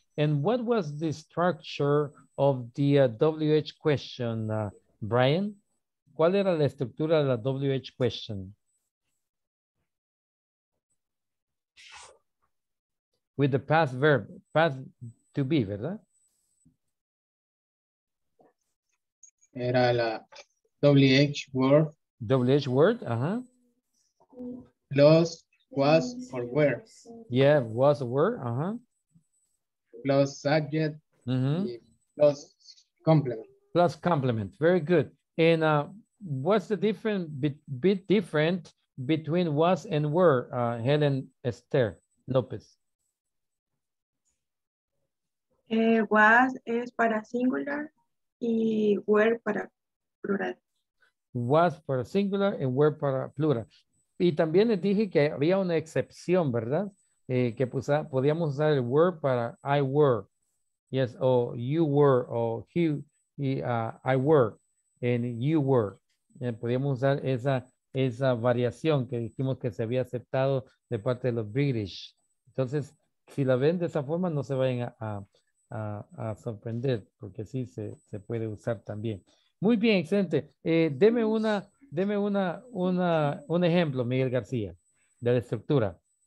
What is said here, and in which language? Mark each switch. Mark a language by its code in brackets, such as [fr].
[en] And what was the structure of the WH question, Brian? [es] ¿Cuál era la estructura de la [en] WH question? With the past verb, past to be, ¿verdad? [es] Era la WH word. [en] WH word, ajá. Plus, was, or were. Yeah, was, were, ajá. Plus subject, plus complement. Plus complement, very good. And what's the different bit different between was and were, Helen Esther López? [es] Was es para singular y were para plural. Was para singular y were para plural. Y también les dije que había una excepción, ¿verdad? Que podíamos usar el were para I were. [en] Yes, o you were, o he, I were, and you were. [es] Podíamos usar esa variación que dijimos que se había aceptado de parte de los British. Entonces, si la ven de esa forma, no se vayan a sorprender, porque sí se puede usar también. Muy bien, excelente. Deme un ejemplo, Miguel García, de la estructura.